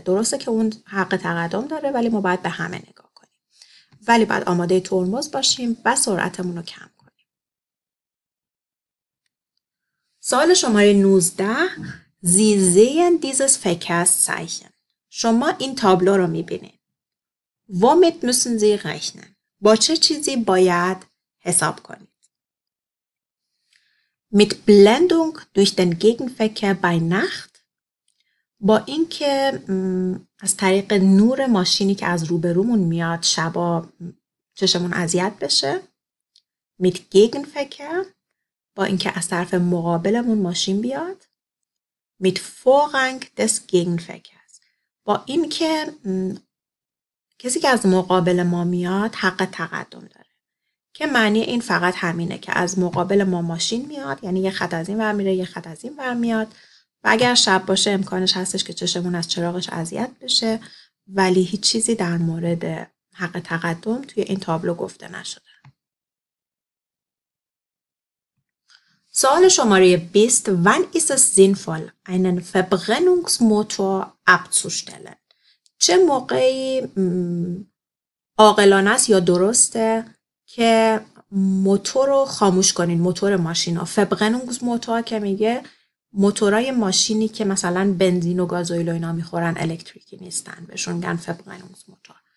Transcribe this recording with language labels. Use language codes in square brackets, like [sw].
[fa] درسته که اون حق تقدم داره، ولی ما باید به همه نگاه کنیم. ولی باید آماده ترمز باشیم و سرعتمون رو کم کنیم. سوال شماره [de] 19: Sie sehen dieses Verkehrszeichen. [fa] شما این تابلو رو میبینید. [de] Womit müssen Sie rechnen? [fa] با چه چیزی باید حساب کنید؟ [de] Mit Blendung durch den Gegenverkehr bei Nacht. [fa] با اینکه از طریق نور ماشینی که از روبرومون میاد شبا چشمون اذیت بشه. [de] Mit Gegenverkehr. [fa] با اینکه از طرف مقابلمون ماشین بیاد. [de] Mit Vorrang des Gegenverkehrs. [fa] با اینکه کسی که از مقابل ما میاد حق تقدم داره، که معنی این فقط همینه که از مقابل ما ماشین میاد، یعنی یه خط از این ور میره یه خط از این ور میاد، و اگر شب باشه امکانش هستش که چشمون از چراغش اذیت بشه ولی هیچ چیزی در مورد حق تقدم توی این تابلو گفته نشده. سوال شماره [de] 20: Wann ist es sinnvoll, einen Verbrennungsmotor abzustellen? [fa] چه موقعی عاقلانه است یا درسته که موتور رو خاموش کنین، موتور ماشینا؟ فبرنونگز موتور که میگه موتورای ماشینی که مثلا بنزین و گازوئیل و اینا میخورن الکتریکی نیستن، بهشون میگن فبرنونگز موتور.